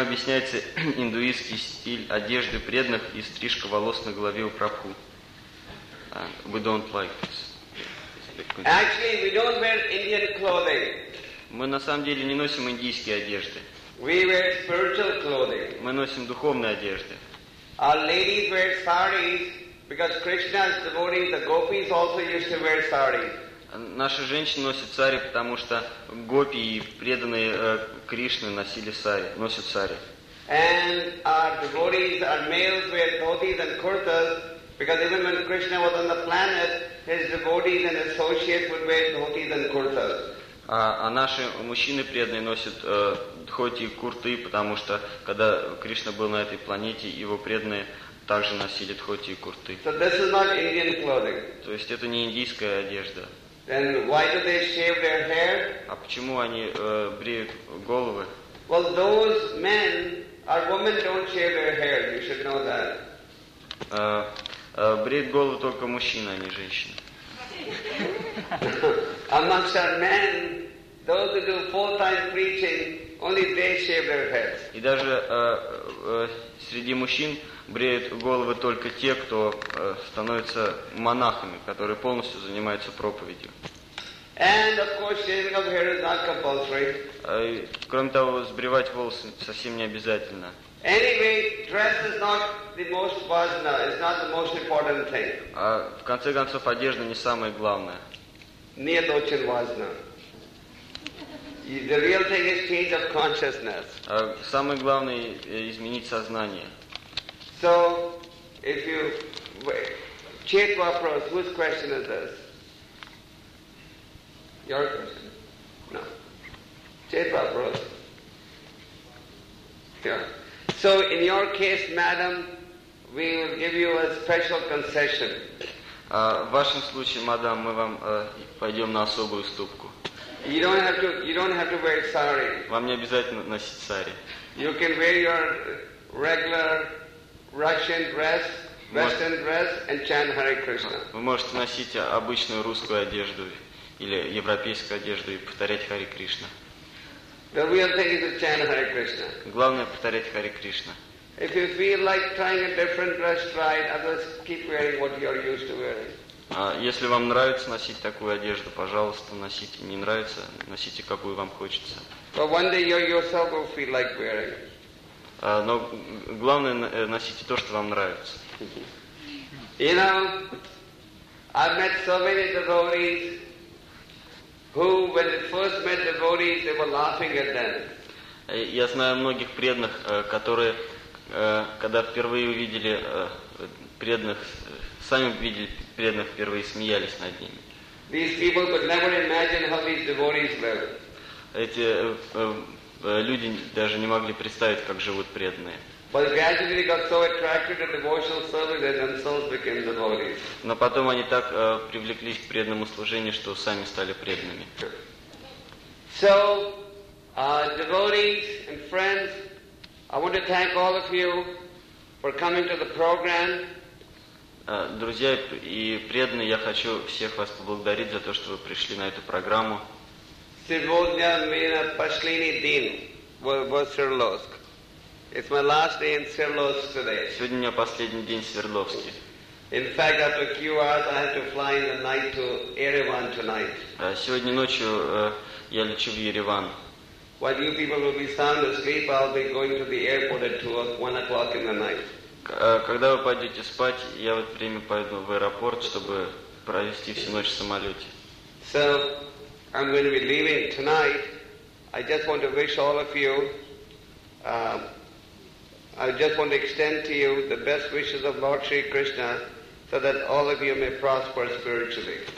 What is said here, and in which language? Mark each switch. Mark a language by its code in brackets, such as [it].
[ru] объясняется индуистский стиль одежды преданных и стрижка волос на голове у Прабху? [en] We don't like this. Actually, we don't wear Indian clothing. [ru] Мы на самом деле не носим индийские одежды. [en] We wear spiritual clothing. [ru] Мы носим духовные одежды. [en] Our ladies wear saris because Krishna's devotees, the gopis, also used to wear saris. [ru] Наши женщины носят сари, потому что гопи и преданные Кришны носили сари, носят сари. [en] And our devotees, our males, wear dhotis and kurtas. Because even when Krishna was on the planet, his devotees and associates would wear dhotis and kurtas. [ru] А наши мужчины преданные носят дхоти и курты, потому что когда Кришна был на этой планете, его преданные также носили дхоти и курты. [en] So this is not Indian clothing. [ru] То есть это не индийская одежда. [en] Then why do they shave their hair? [ru] А почему они бреют головы? [en] Well, those men or women don't shave their hair. You should know that. [ru] Бреют голову только мужчины, а не женщины. [en] Amongst our men, those who do full-time preaching, only they shave their heads. [ru] И даже среди мужчин бреют головы только те, кто становится монахами, которые полностью занимаются проповедью. [en] And of course, shaving of hair is not compulsory. [ru] Кроме того, сбривать волосы совсем не обязательно. [en] Anyway, dress is not the most [ru] важно. [en] It's not the most important thing. [ru] А в конце концов, одежда не самое главное. Нет, очень важно. [en] The real thing is change of consciousness. [ru] Самое главное изменить сознание. [en] So, if you wait, Chetvapros, whose question is this? Your question? No. Chetvapros. Yeah. So, in your case, madam, we will give you a special concession. [ru] В вашем случае, мадам, мы вам пойдем на особую уступку. [en] You don't have to wear sari. [ru] Вам не обязательно носить сари. [en] You can wear your regular Russian dress, Western dress, and chant Hare Krishna. [ru] Вы можете носить обычную русскую одежду или европейскую одежду и повторять Хари Кришна. [en] The real thing is to chant Hare Krishna. [ru] Главное повторять Хари Кришна. [en] If you feel like trying a different dress, try it. Otherwise, keep wearing what you are used to wearing. [ru] Если вам нравится носить такую одежду, пожалуйста, носите. Не нравится, носите какую вам хочется. [en] But one day you yourself will feel like wearing it. [ru] Но главное носите то, что вам нравится. [en] You know, I've met so many devotees who, when they first met devotees, they were laughing at them. [ru] Я знаю многих преданных, которые когда впервые увидели преданных, сами увидели преданных впервые, смеялись над ними. [en] These people could never imagine how these devotees live. [ru] Эти люди даже не могли представить, как живут преданные. [en] But gradually they got so attracted to devotional service that themselves became devotees. [ru] Но потом они так привлеклись к преданному служению, что сами стали преданными. [en] So, devotees and friends, I want to thank all of you for coming to the program. [ru] Друзья и преданные, я хочу всех вас поблагодарить за то, что вы пришли на эту программу. Сегодня у меня последний день в Свердловске. [en] It's my last day in Свердловск today. [ru] Сегодня у меня последний день в Свердловске. [en] In fact, after a few hours, I had to fly in the night to Yerevan tonight. [ru] Сегодня ночью я лечу в Ереван. [en] While you people will be sound asleep, I'll be going to the airport at 1 o'clock in the night. [ru] Когда вы пойдете спать, я в это время пойду в аэропорт, чтобы провести всю ночь в самолете. [en] So, I'm going to be leaving tonight. I just want to wish all of you, I just want to extend to you the best wishes of Lord Sri Krishna, so that all of you may prosper spiritually.